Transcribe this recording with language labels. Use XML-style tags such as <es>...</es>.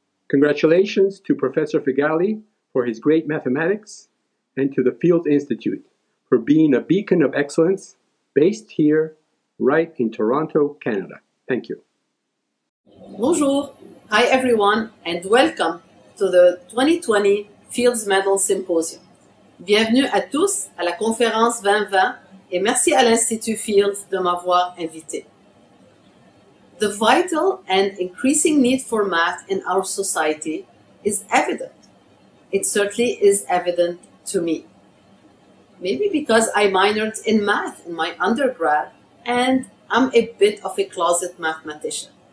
<en>Congratulations to Professor Figalli for his great mathematics and to the Fields Institute for being a beacon of excellence based here, right in Toronto, Canada. Thank you.</en> <fr>Bonjour.</fr> <en>Hi, everyone, and welcome to the 2020 Fields Medal Symposium.</en> <fr>Bienvenue à tous à la conférence 2020 et merci à l'Institut Fields de m'avoir invité.</fr> <en>The vital and increasing need for math in our society is evident. It certainly is evident to me. Maybe because I minored in math in my undergrad and I'm a bit of a closet mathematician.</en>